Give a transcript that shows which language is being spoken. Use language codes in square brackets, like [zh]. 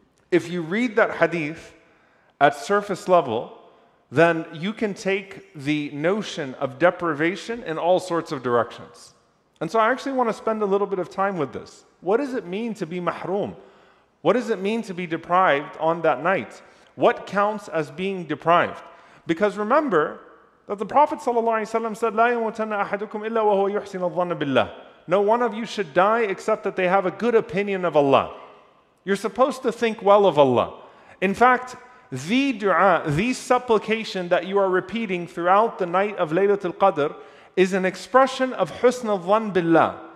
[en] If you read that hadith at surface level, then you can take the notion of deprivation in all sorts of directions. And so I actually want to spend a little bit of time with this. What does it mean to be mahroom? What does it mean to be deprived on that night? What counts as being deprived? Because remember that the Prophet ﷺ said, [ar] لَا يَمُوتَنَّ أَحَدُكُمْ إِلَّا وَهُوَ يُحْسِنَ الظَّنَّ بِاللَّهِ. [en] No one of you should die except that they have a good opinion of Allah. You're supposed to think well of Allah. In fact, the dua, the supplication that you are repeating throughout the night of Laylatul Qadr is an expression of [ar] حُسْنَ الظَّنَّ بِاللَّهِ.